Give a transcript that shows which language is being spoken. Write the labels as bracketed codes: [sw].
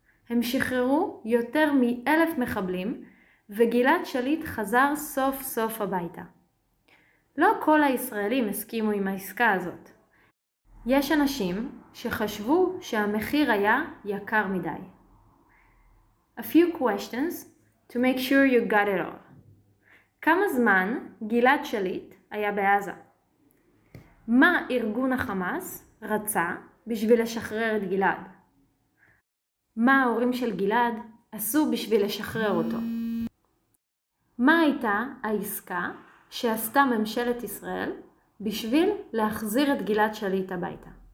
[he] הם שחררו יותר מ-1,000 מחבלים וגלעד שליט חזר סוף סוף הביתה. לא כל הישראלים הסכימו עם העסקה הזאת. יש אנשים שחשבו שהמחיר היה יקר מדי. [en] A few questions to make sure you got it all. [he] כמה זמן גלעד שליט היה בעזה? מה ארגון החמאס רצה בשביל לשחרר את גלעד? מה ההורים של גלעד עשו בשביל לשחרר אותו? מה הייתה העסקה שעשתה ממשלת ישראל בשביל להחזיר את גלעד שליט הביתה?